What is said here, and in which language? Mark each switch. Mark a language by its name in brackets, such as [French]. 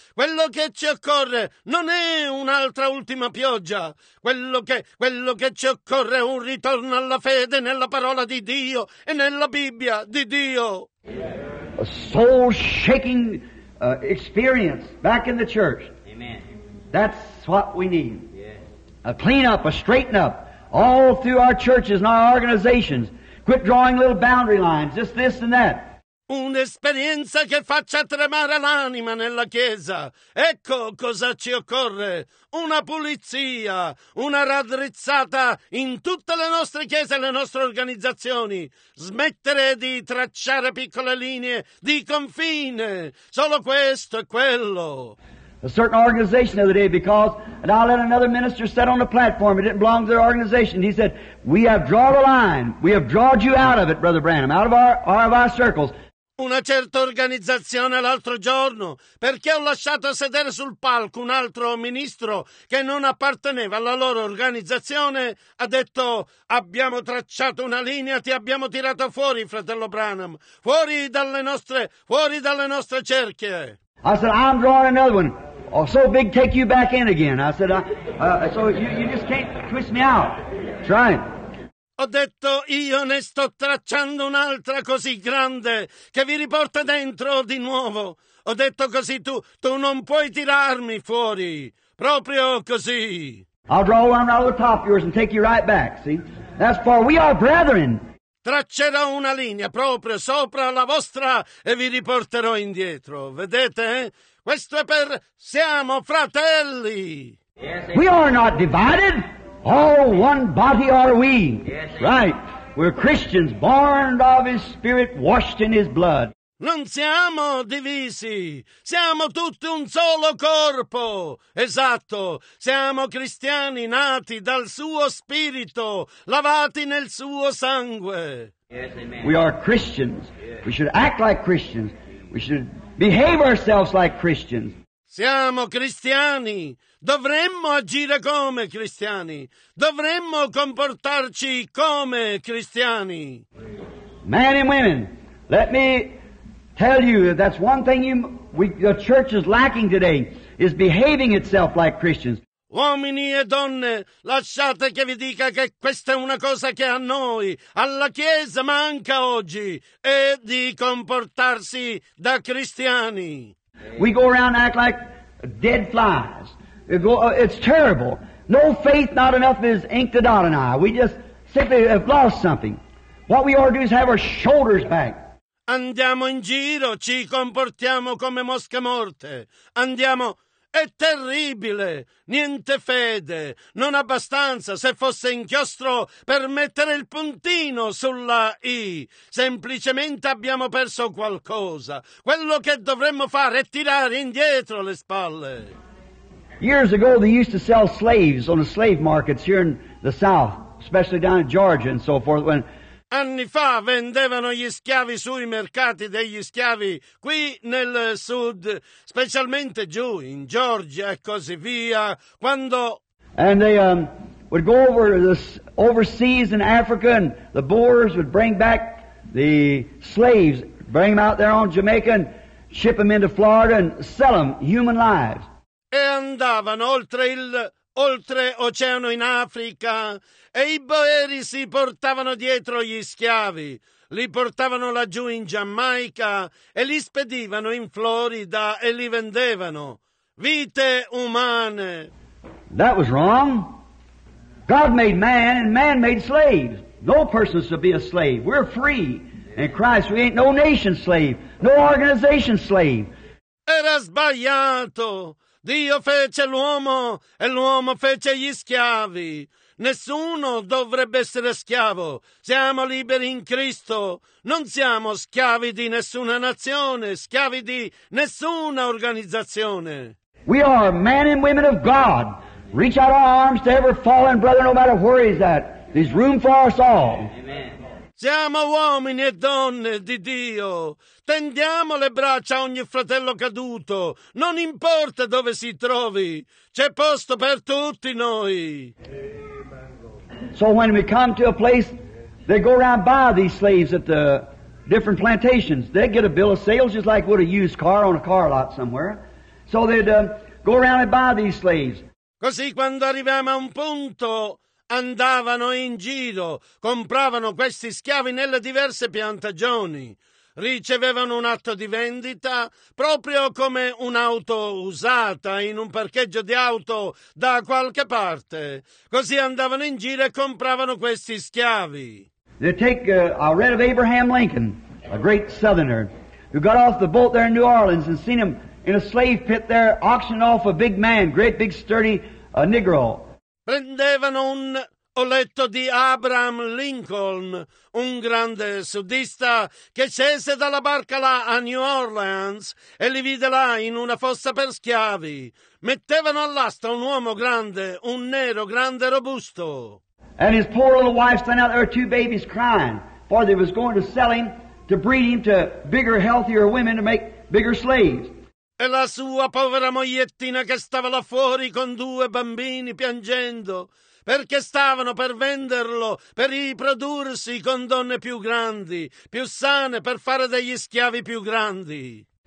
[Italian] Quello che ci occorre non è un'altra ultima pioggia. Quello che ci occorre è un ritorno alla fede nella parola di Dio e nella Bibbia di Dio. [English] A soul shaking experience back in the church. Amen. That's what we need. Yeah. A clean up, a straighten up all through our churches and our organizations. Quit drawing little boundary lines, just this and that. [Italian] Un'esperienza che faccia tremare l'anima nella Chiesa. Ecco cosa ci occorre. Una pulizia, una raddrizzata in tutte le nostre chiese e le nostre organizzazioni. Smettere di tracciare piccole linee di confine. Solo questo e quello. [English] A certain organization the other day, and I let another minister sit on the platform. It didn't belong to their organization. He said, we have drawn a line. We have drawn you out of it, Brother Branham, out of our circles. [Italian] Una certa organizzazione l'altro giorno, perché ho lasciato sedere sul palco un altro ministro che non apparteneva alla loro organizzazione, ha detto, abbiamo tracciato una linea, ti abbiamo tirato fuori, fratello Branham, fuori dalle nostre cerchie. [English] I said, I'm drawing another one. Oh, so big, take you back in again. I said, so you just can't twist me out. That's right. [Italian] Ho detto, io ne sto tracciando un'altra così grande che vi riporta dentro di nuovo. Ho detto così, tu non puoi tirarmi fuori. Proprio così. [English] I'll draw one right on the top of yours and take you right back, see? That's for we are brethren. [Italian] Traccerò una linea proprio sopra la vostra e vi riporterò indietro. Vedete? Questo è per siamo fratelli. [English] We are not divided. All one body are we. Right. We're Christians, born of His Spirit, washed in His blood. [Italian] Non siamo divisi. Siamo tutti un solo corpo. Esatto. Siamo cristiani nati dal Suo Spirito, lavati nel Suo sangue. [English] Yes, amen. We are Christians. We should act like Christians. We should behave ourselves like Christians. [Italian] Siamo cristiani. Dovremmo agire come cristiani. Dovremmo comportarci come cristiani. [English] Men and women, let me tell you that that's one thing the church is lacking today, is behaving itself like Christians. [Italian] Uomini e donne, lasciate che vi dica che questa è una cosa che a noi, alla Chiesa, manca oggi, è di comportarsi da cristiani. [English] We go around and act like dead flies. It's terrible. No faith, not enough is ink to dot an I. We just simply have lost something. What we ought to do is have our shoulders back. [Italian] Andiamo in giro, ci comportiamo come mosche morte. Andiamo, è terribile, niente fede, non abbastanza se fosse inchiostro per mettere il puntino sulla I. Semplicemente abbiamo perso qualcosa. Quello che dovremmo fare è tirare indietro le spalle. [English] Years ago they used to sell slaves on the slave markets here in the South, especially down in Georgia and so forth. [Italian] Anni fa vendevano gli schiavi sui mercati degli schiavi qui nel sud, specialmente giù in Georgia e così via, quando... [English] And they would go over overseas in Africa, and the Boers would bring back the slaves, bring them out there on Jamaica, and ship them into Florida and sell them human lives. [Italian] E andavano oltre oceano in Africa, e i Boeri si portavano dietro gli schiavi, li portavano laggiù in Giamaica e li spedivano in Florida e li vendevano. Vite umane. [English] That was wrong. God made man and man made slaves. No person should be a slave. We're free. In Christ we ain't no nation slave, no organization slave. [Italian] Era sbagliato. Dio fece l'uomo e l'uomo fece gli schiavi. Nessuno dovrebbe essere schiavo. Siamo liberi in Cristo. Non siamo schiavi di nessuna nazione, schiavi di nessuna organizzazione. [English] We are men and women of God. Reach out our arms to every fallen brother, no matter where he's at. There's room for us all. Amen. [Italian] Siamo uomini e donne di Dio. Tendiamo le braccia a ogni fratello caduto. Non importa dove si trovi. C'è posto per tutti noi. [English] So when we come to a place, they go around by these slaves at the different plantations. They get a bill of sales just like would a used car on a car lot somewhere. So they'd go around and buy these slaves. [Italian] Così quando arrivavamo a un punto, andavano in giro, compravano questi schiavi nelle diverse piantagioni. Ricevevano un atto di vendita, proprio come un'auto usata in un parcheggio di auto da qualche parte. Così andavano in giro e compravano questi schiavi. [English] They take a read of Abraham Lincoln, a great southerner, who got off the boat there in New Orleans and seen him in a slave pit there, auctioned off a big man, great big sturdy Negro. [Italian] Prendevano un oletto di Abraham Lincoln, un grande sudista che scese dalla barca là a New Orleans e li vide là in una fossa per schiavi. Mettevano all'asta un uomo grande, un nero, grande, robusto. [English] And his poor little wife stand out there, two babies crying, for they was going to sell him, to breed him to bigger, healthier women to make bigger slaves. [Italian] E la sua povera mogliettina che stava là fuori con due bambini piangendo, perché stavano per venderlo, per riprodursi con donne più grandi, più sane, per fare degli schiavi più grandi.